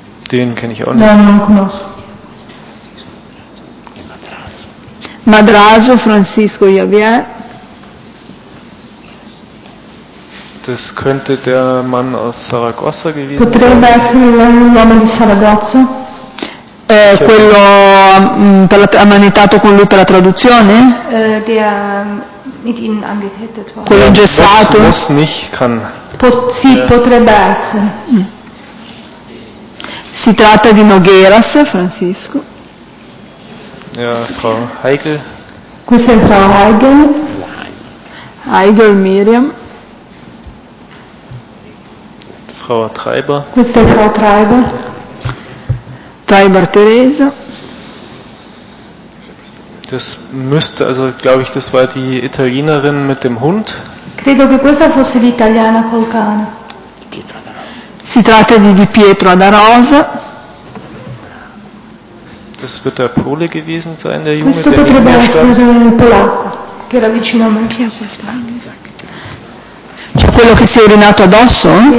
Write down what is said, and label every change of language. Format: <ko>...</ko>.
<de>Den kenne ich auch nicht. Nein, noch nicht. Madrazo Francisco Javier. Das könnte der Mann aus Saragossa gewesen sein.</de> <it>Potrebbe essere l'uomo di Saragozza. Quello ammanettato con lui per la traduzione?</it> <de>Der mit ihnen angekettet war.</de> <it>Quello gessato?</it> <de>Muss nicht, kann.</de> <it>Sì, potrebbe essere. Si tratta di Nogueras Francisco.</it> <de>Ja, Frau Heigl.</de> <it>Questa è Frau Heigl. Heigl Miriam.</it> <de>Frau Treiber.</de> <it>Questa è Frau Treiber. Treiber Teresa.</it> <de>Das müsste, also glaube ich, das war die Italienerin mit dem Hund.</de> <it>Credo che questa fosse l'italiana col cane. Si tratta di Pietro Ada Rosa.</it> <de>Das wird der Pole gewesen sein, der Junge, der</de> <it>potrebbe essere un polacco che era vicino a me. C'è cioè quello che si è urinato addosso?</it>